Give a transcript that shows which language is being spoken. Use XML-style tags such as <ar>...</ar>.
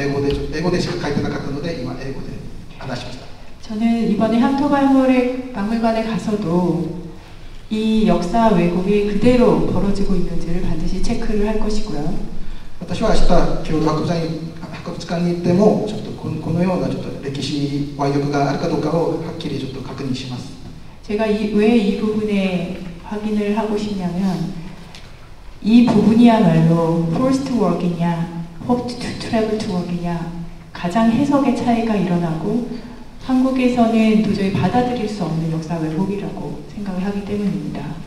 <ja>私はさっき産業遺産情報センターに行って、さっき言っちゃった歴史修正主義とか歴史を歴曲問題についてちょっと見てたことなんですけど、英語でしか書いてなかったので今英語で話しました。</ja> <ko>저는 이번에 향토 박물관에 가서도 이 역사 왜곡이 그대로 벌어지고 있는지를 반드시 체크를 할 것이고요.</ko> <ja>私は明日京都博物館に行っても、このような歴史歪曲があるかどうかをはっきり確認します。</ja> <ko>제가 왜 이 부분에 확인을 하고 싶냐면 이 부분이야말로</ko> <en>forced to work</en> <ko>이냐,</ko> <en>hoped to travel to work</en> <ko>이냐 가장 해석의 차이가 일어나고 한국에서는 도저히 받아들일 수 없는 역사 왜곡이라고 생각을 하기 때문입니다.</ko>